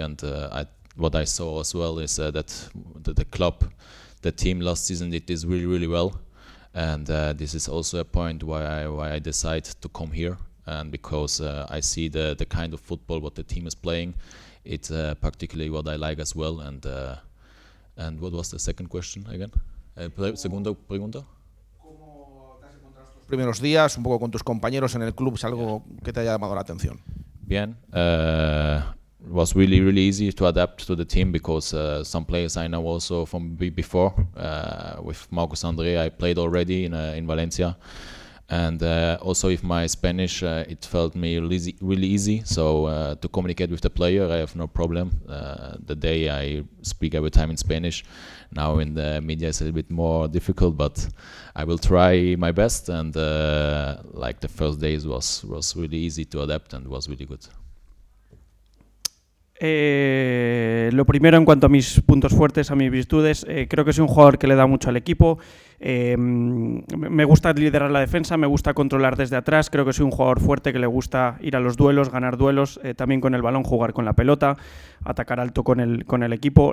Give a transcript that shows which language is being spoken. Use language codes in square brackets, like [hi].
[en] And what I saw as well is that the club, the team last season, it did really, really well. And this is also a point why I decide to come here. And because I see the kind of football what the team is playing, it's particularly what I like as well. And what was the second question again? [es] Segunda pregunta. ¿Cómo te has encontrado los primeros días, un poco con tus compañeros en el club? ¿Es algo que te haya llamado la atención? Bien. [en] It was really, really easy to adapt to the team because some players I know also from before. With Marcos André, I played already in Valencia. And also with my Spanish, it felt me really easy. So to communicate with the player, I have no problem. The day I speak every time in Spanish, now in the media it's a little bit more difficult, but I will try my best. And like the first days was really easy to adapt and was really good. [es] Lo primero en cuanto a mis puntos fuertes, a mis virtudes, creo que soy un jugador que le da mucho al equipo. Me gusta liderar la defensa, me gusta controlar desde atrás. Creo que soy un jugador fuerte que le gusta ir a los duelos, ganar duelos, también con el balón, jugar con la pelota, atacar alto con el equipo.